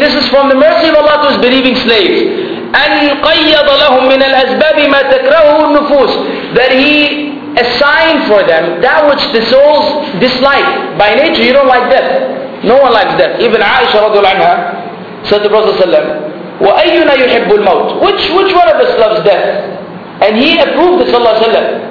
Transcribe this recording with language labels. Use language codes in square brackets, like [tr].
[en] This is from the mercy of Allah to His believing slaves. [ar] أن قيض لهم من الأسباب ما تكرهه النفوس. [en] That He assigned for them that which the souls dislike. By nature, you don't like death. No one likes death. Even Aisha radiallahu anha said to Prophet sallallahu alaihi wasallam, [ar] وَأَيُّنَا يُحِبُّ الْمَوْتِ. [en] Which one of us loves death? And he approved it, sallallahu alaihi wasallam.